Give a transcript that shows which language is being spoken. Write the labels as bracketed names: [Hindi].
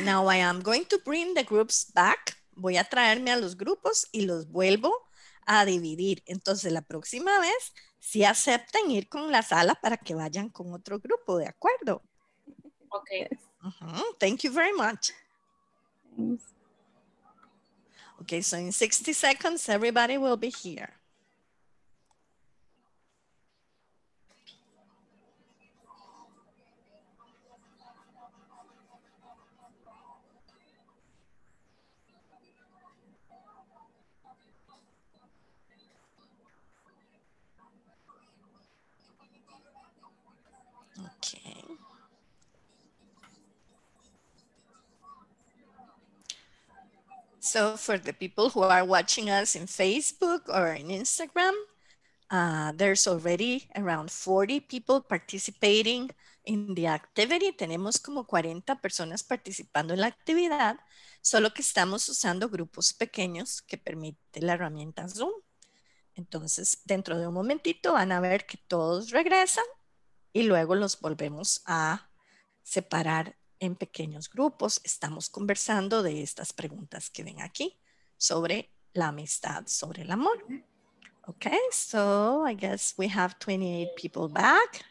[English] Now I am going to bring the groups back. [Spanish] Voy a traerme a los grupos y los vuelvo a dividir. Entonces, la próxima vez, si acepten ir con la sala para que vayan con otro grupo, ¿de acuerdo? [English] Okay. Uh-huh. Thank you very much. Okay, so in 60 seconds, everybody will be here. So for the people who are watching us in Facebook or in Instagram, there's already around 40 people participating in the activity. [Spanish] Tenemos como 40 personas participando en la actividad, solo que estamos usando grupos pequeños que permite la herramienta Zoom. Entonces, dentro de un momentito van a ver que todos regresan y luego los volvemos a separar en pequeños grupos. Estamos conversando de estas preguntas que ven aquí sobre la amistad, sobre el amor. [English] Okay, so I guess we have 28 people back.